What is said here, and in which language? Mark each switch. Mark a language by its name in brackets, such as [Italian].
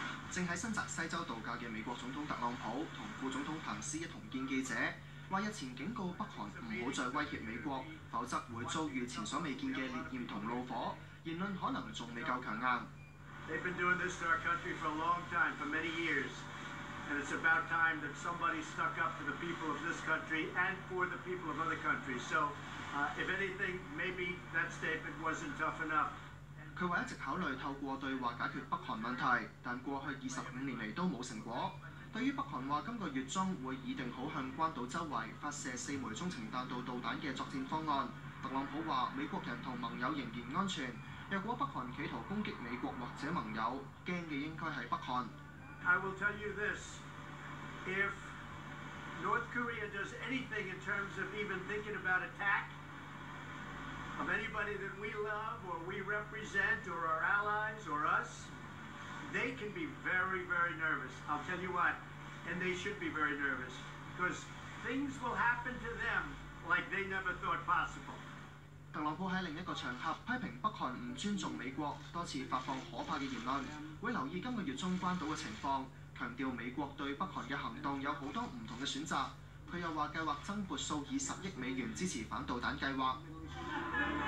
[Chinese] 正在新澤西州度假的美國總統特朗普和副總統彭斯一同見記者，說日前警告北韓不要再威脅美國，否則會遭遇前所未見的烈焰和怒火，言論可能還未夠強硬。 [English] They've been doing this to our country for a long time, for many years, and it's about time that somebody stuck up for the people of this country and for the people of other countries. So, if anything, maybe that statement wasn't tough enough. [Chinese] 他說一直考慮透過對話解決北韓問題，但過去25年來都沒有成果。對於北韓說今個月中會擬定好向關島周圍發射四枚中程彈道導彈的作戰方案，特朗普說美國人和盟友仍然安全，若果北韓企圖攻擊美國或者盟友，害怕的應該是北韓。 [English] I will tell you this, if North Korea does anything in terms of even thinking about attack of anybody that we love or we represent or our allies or us, they can be very, very nervous. I'll tell you what, and they should be very nervous because things will happen to them like they never thought possible. [Chinese] 特朗普在另一個場合批評北韓不尊重美國，多次發放可怕的言論，會留意今個月中關島的情況，強調美國對北韓的行動有很多不同的選擇。他又說計劃增撥數以十億美元支持反導彈計劃。